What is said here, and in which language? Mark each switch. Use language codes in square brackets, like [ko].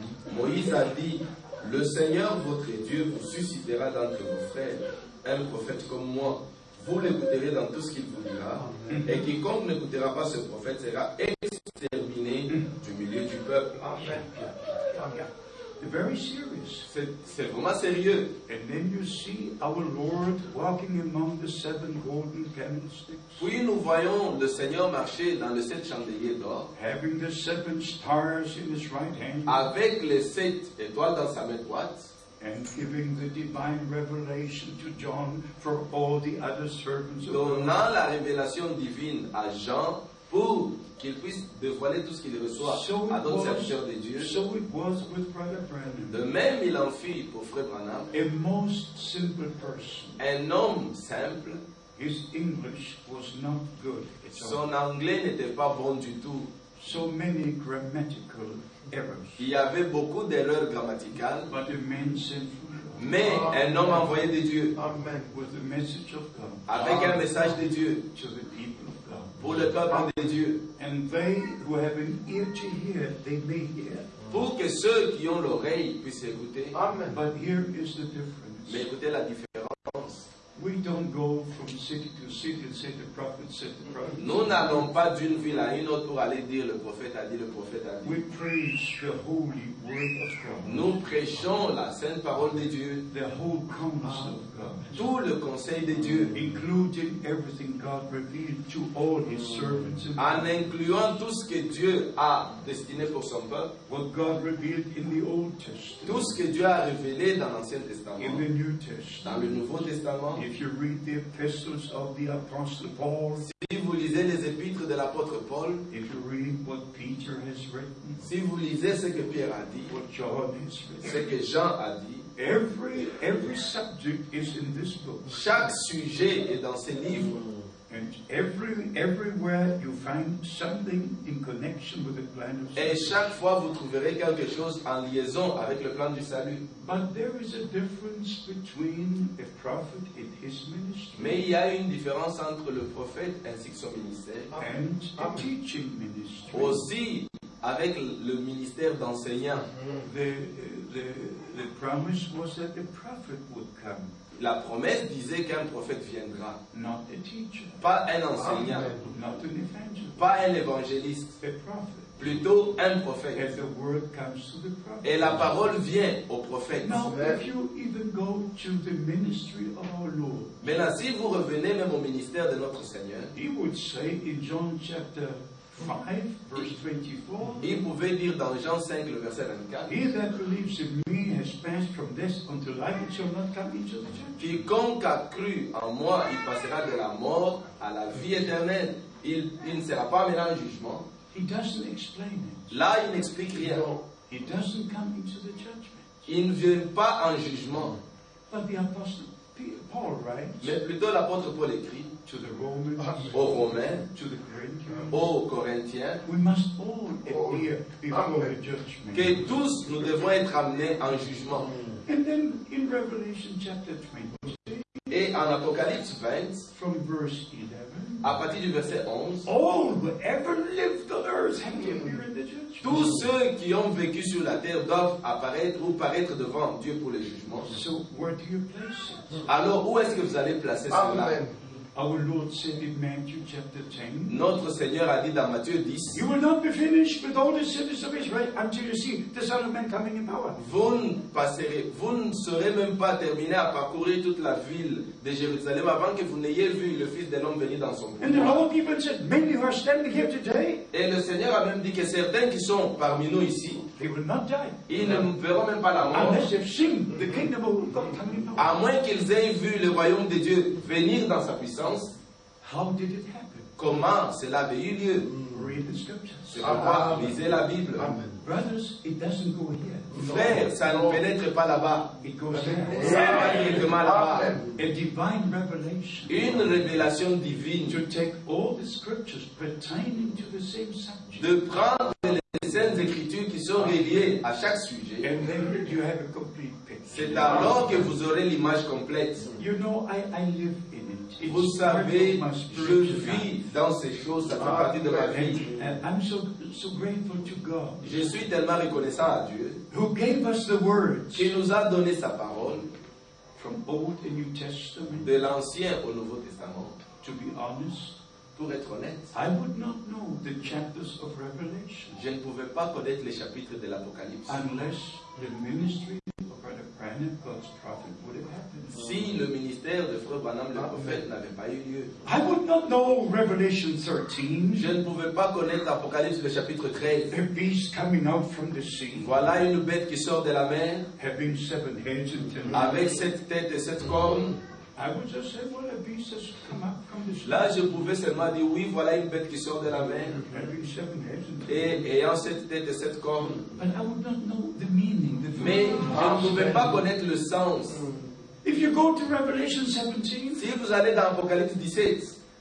[fr] Moïse a dit, le Seigneur votre Dieu vous suscitera d'entre vos frères un prophète comme moi. Vous l'écouterez dans tout ce qu'il vous dira, et quiconque n'écoutera pas ce prophète sera exterminé du milieu du peuple. [en] Amen. Yeah. Very serious. [fr] C'est vraiment sérieux. [en] And then you see our Lord walking among the seven golden candlesticks. [fr] Puis nous voyons le Seigneur marcher dans les 7 chandeliers d'or. [en] Having the 7 stars in his right hand. [fr] Avec les 7 étoiles dans sa main droite. [en] And giving the divine revelation to John for all the other servants of [fr] God. Donnant la révélation divine à Jean. Pour qu'il puisse dévoiler tout ce qu'il reçoit [en] so [fr] à d'autres serviteurs de Dieu. [en] So it was with Brother Branham. [fr] De même, il en fit pour Frère Branham. [en] A most simple person. [fr] Un homme simple. [en] His English was not good. [fr] Son anglais n'était pas bon du tout. [en] So many grammatical errors. [fr] Il y avait beaucoup d'erreurs grammaticales. [en] But a man simple. [fr] Mais un homme envoyé de Dieu. [en] Amen. With the message of God. [fr] Avec un message de Dieu. [en] To the people. [fr] Pour le peuple de Dieu. [en] And they who have an ear to hear, they may hear. [fr] Pour que ceux qui ont l'oreille puissent écouter. [en] Amen. But here is the difference. [fr] Mais écoutez la différence. [en] We don't go from city to city and say the prophet said the prophet. [fr] Nous n'allons pas d'une ville à une autre pour aller dire le prophète a dit, le prophète a dit. [en] We preach the holy word of God. [fr] Nous prêchons la sainte parole de Dieu. [en] The whole counsel of God. [fr] Tout le conseil de Dieu. [en] Including everything God revealed to all his servants. [fr] En incluant tout ce que Dieu a destiné pour son peuple. [en] What God revealed in the Old Testament. [fr] Tout ce que Dieu a révélé dans l'Ancien Testament. [en] In the New Testament. [fr] Dans le Nouveau Testament. [en] If you read the epistles of the apostle Paul, [fr] si vous lisez les épîtres de l'apôtre Paul, [en] if you read what Peter has written, [fr] si vous lisez ce que Pierre a dit, [en] what John has written, [fr] ce que Jean a dit, [en] Every subject is in this book. [fr] Chaque sujet est dans ce livre. [en] And everywhere you find something in connection with the plan of salvation. [fr] Et chaque fois vous trouverez quelque chose en liaison avec le plan du salut. [en] But there is a difference between a prophet and his ministry. [fr] Mais il y a une différence entre le prophète ainsi que son ministère. [en] And a teaching ministry. [fr] Aussi avec le ministère d'enseignant. [en] The promise was that the prophet would come. [fr] La promesse disait qu'un prophète viendra. [en] Not a teacher. [fr] Pas un enseignant. [en] Not an evangelist. [fr] Pas un évangéliste. [en] A prophet. [fr] Plutôt un prophète. [en] And the word comes to the prophet. [fr] Et la parole vient au prophète. [en] Now, if you even go to the ministry of our Lord, [fr] mais là, si vous revenez même au ministère de notre Seigneur, [en] he would say in John chapter 5, verse 24, [fr] il pouvait dire dans Jean 5, le verset 24, [en] he that believes in me has passed from death unto life, and shall not come into the judgment. [fr] Quiconque a cru en moi, il passera de la mort à la vie éternelle. Il ne sera pas mis en jugement. [en] He doesn't explain it. [fr] Là, il n'explique rien. [en] No, he doesn't come into the judgment. [fr] Il ne vient pas en jugement. [en] But the apostle Paul writes, [fr] mais plutôt l'apôtre Paul écrit, [en] to the Romans, [fr] aux Romains, [en] to the Corinthians, [fr] aux Corinthiens, [en] we must all appear before the judgment. [fr] Que tous nous devons être amenés en jugement. [en] And then in Revelation chapter 20, [fr] et en Apocalypse 20, [en] from verse 11, [fr] à partir du verset 11, [en] all who ever lived on earth have to appear in the judgment. [fr] Tous ceux qui ont vécu sur la terre doivent apparaître ou paraître devant Dieu pour le jugement. [en] So where do you place it? [fr] Alors où est-ce que vous allez placer [en] Amen. [fr] Cela? [en] Our Lord said in Matthew chapter 10, [fr] notre Seigneur a dit dans Matthieu 10, [en] you will not be finished with all the cities of Israel until you see the Son of Man coming in power. [fr] Vous ne serez même pas terminé à parcourir toute la ville de Jérusalem avant que vous n'ayez vu le Fils de l'homme venir dans son pouvoir. [en] And the Lord even said, many who are standing here today, [fr] et le Seigneur a même dit que certains qui sont parmi nous ici, [en] they will not die. [fr] Ils ne verront même pas la mort. [en] Unless they've seen the kingdom of God coming in power. [fr] À moins qu'ils aient vu le royaume de Dieu venir dans sa puissance. [en] How did it happen? [fr] Comment cela avait eu lieu? [en] Read the scriptures. [fr] Lisez la Bible. [en] Amen. Brothers, it doesn't go here. [fr] Frères, ça ne pénètre pas là-bas. [en] It goes [fr] there. Ça va directement là-bas. [en] Amen. A divine revelation. [fr] Une révélation divine. [en] To take all the scriptures pertaining to the same subject. [fr] De prendre les saintes écritures qui sont reliées à chaque sujet. [en] And then you have a complete picture. [fr] C'est alors que vous aurez l'image complète. [en] You know, I live in. [fr] Vous savez, je vis dans ces choses, ça fait partie de ma vie. [en] I'm so grateful to God. [fr] Je suis tellement reconnaissant à Dieu [en] who gave us the word, [fr] qui nous a donné sa parole [en] from Old and New Testament, [fr] de l'Ancien au Nouveau Testament. [en] To be honest, [fr] pour être honnête, [en] I would not know the chapters of Revelation, [fr] je ne pouvais pas connaître les chapitres de l'Apocalypse [en] unless the ministry. And if God's prophet would have happened. [fr] Si le ministère de Frère Branham le prophète n'avait pas eu lieu, [en] I would not know Revelation 13. [fr] Je ne pouvais pas connaître l'Apocalypse le chapitre 13. [en] A beast coming out from the sea. [fr] Voilà une bête qui sort de la mer. [en] Having seven heads and ten. [fr] Avec sept têtes et sept cornes. [en] I would just say, well, a beast has come up from the sea. [fr] Là, je pouvais seulement dire oui, voilà une bête qui sort de la mer. [en] Having seven heads and [fr] ten. Et ayant sept têtes et sept cornes. [en] But I would not know the meaning. [fr] Mais on ne pouvait pas connaître le sens. [en] If you go to Revelation 17, [fr] si vous allez dans Apocalypse 17,